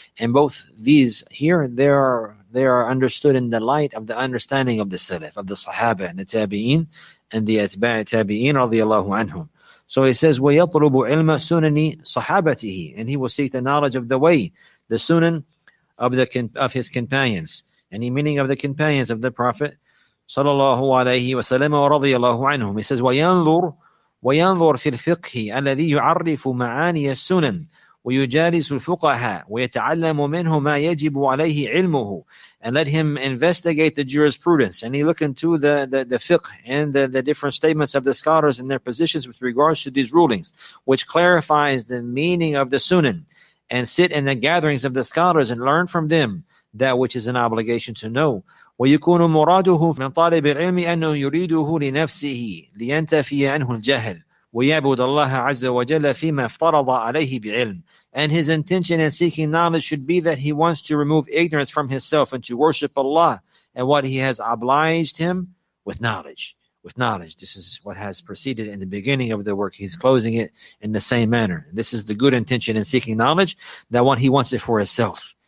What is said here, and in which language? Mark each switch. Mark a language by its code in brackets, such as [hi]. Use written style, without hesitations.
[en] And both these here, they are understood in the light of the understanding of the Salaf, of the Sahaba and the Tabi'een and the Atba'i Tabi'een radiyallahu anhum. So he says, [ar] وَيَطْلُبُ عِلْمَ سُنَنِ صَحَابَتِهِ, [en] and he will seek the knowledge of the way, the Sunan of his companions, any meaning of the companions of the Prophet sallallahu alayhi wa sallam wa radiyallahu anhum. He says, [ar] وَيَنْظُرْ فِي الْفِقْهِ أَلَّذِي يُعَرِّفُ مَعَانِيَ السُّنَنِ ويجالس الفقهاء ويتعلم منه ما يجب عليه علمه. [en] And let him investigate the jurisprudence. And he look into the fiqh and the different statements of the scholars and their positions with regards to these rulings, which clarifies the meaning of the sunan. And sit in the gatherings of the scholars and learn from them that which is an obligation to know. [ar] ويكون مراده من طالب العلم أنه يريده لنفسه لينتفي عنه الجهل ويعبد الله عز وجل فيما افترض عليه بعلم. [en] And his intention in seeking knowledge should be that he wants to remove ignorance from himself and to worship Allah and what he has obliged him with knowledge. With knowledge. This is what has preceded in the beginning of the work. He's closing it in the same manner. This is the good intention in seeking knowledge, that one, he wants it for himself.